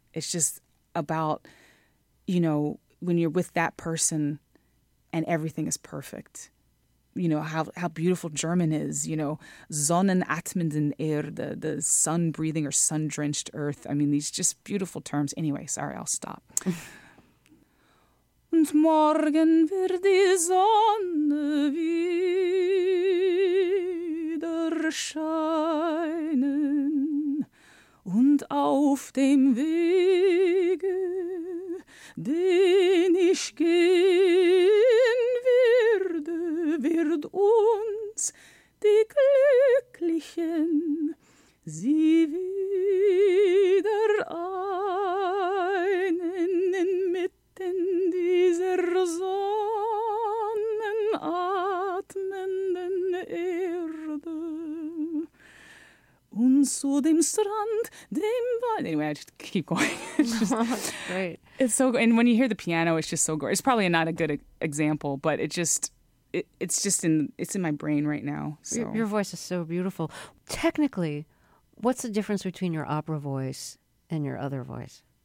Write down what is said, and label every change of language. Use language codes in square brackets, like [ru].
[en] It's just about, you know, when you're with that person and everything is perfect. You know, how beautiful German is, you know, [de] Sonnenatmenden Erde, [en] the sun breathing or sun drenched earth. I mean, these just beautiful terms. Anyway, sorry, I'll stop. [de] Und morgen wird die Sonne wieder scheinen und auf dem Wege, den ich gehen werde, wird uns die Glücklichen sie wieder einen inmitten dieser sonnenatmenden Erde und zu dem Strand, dem Wald. [en] Anyway, I just keep going. Great. It's so, and when you hear the piano, it's just so gorgeous. It's probably not a good example, but it's in my brain right now. So. Your voice is so beautiful. Technically, what's the difference between your opera voice and your other voice?